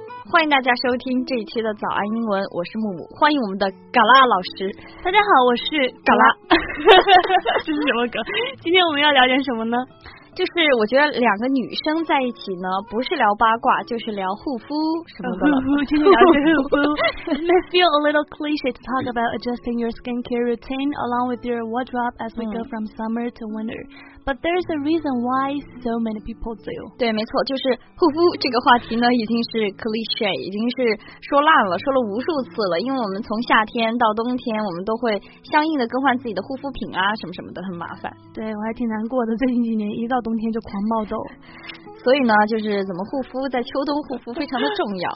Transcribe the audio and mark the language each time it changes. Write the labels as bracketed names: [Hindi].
[Chinese] 欢迎大家收听这一期的早安英文，我是木木，欢迎我们的嘎啦老师。大家好，我是嘎啦。这是什么歌？今天我们要聊点什么呢？就是我觉得两个女生在一起呢，不是聊八卦，就是聊护肤什么的了。今天聊护肤。 [English] It feel a little cliche to talk about adjusting your skincare routine along with your wardrobe as we go from summer to winter. But there's a reason why so many people do. [Chinese] 对，没错，就是护肤这个话题呢，已经是 cliche， 已经是说烂了，说了无数次了。因为我们从夏天到冬天，我们都会相应的更换自己的护肤品啊，什么什么的，很麻烦。对，我还挺难过的，最近几年一到冬天就狂冒痘，所以呢，就是怎么护肤，在秋冬护肤非常的重要。